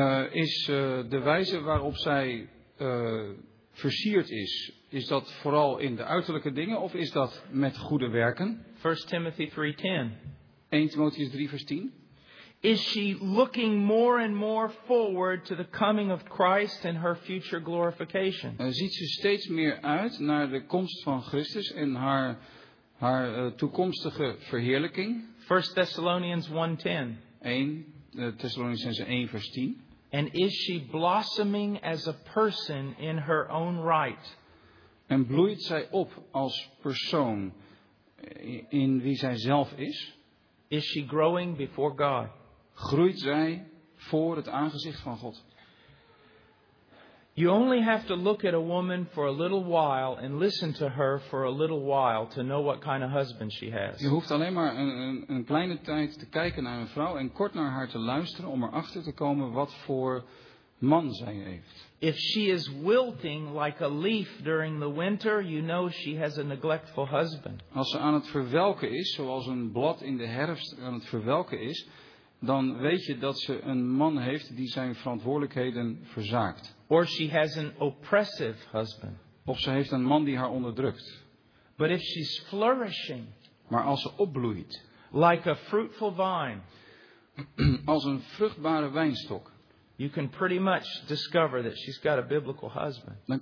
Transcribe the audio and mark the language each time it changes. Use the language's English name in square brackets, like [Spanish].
[Dutch] Is de wijze waarop zij versierd is, is dat vooral in de uiterlijke dingen of is dat met goede werken? [English] 1 Timothy 3:10. [Dutch] 1 Timotheus 3 vers 10. [English] Is she looking more and more forward to the coming of Christ and her future glorification? [Dutch] Ziet ze steeds meer uit naar de komst van Christus en haar toekomstige verheerlijking? [English] 1 Thessalonians 1:10. [Dutch] 1 Thessalonians 1 vers 10. [English] And is she blossoming as a person in her own right? [Dutch] En bloeit zij op als persoon in wie zij zelf is? [English] Is she growing before God? [Dutch] Groeit zij voor het aangezicht van God? [English] You only have to look at a woman for a little while and listen to her for a little while to know what kind of husband she has. [Dutch] Je hoeft alleen maar een kleine tijd te kijken naar een vrouw en kort naar haar te luisteren om erachter te komen wat voor man zij heeft. [English] If she is wilting like a leaf during the winter, you know she has a neglectful husband. [Dutch] Als ze aan het verwelken is, zoals een blad in de herfst aan het verwelken is, dan weet je dat ze een man heeft die zijn verantwoordelijkheden verzaakt. [English] Or she has an oppressive husband. [Dutch] Of ze heeft een man die haar onderdrukt. [English] But if she's flourishing, [Dutch] maar als ze opbloeit, [English] like a fruitful vine, [Dutch] als een vruchtbare wijnstok, [English] you can pretty much discover that she's got a biblical husband.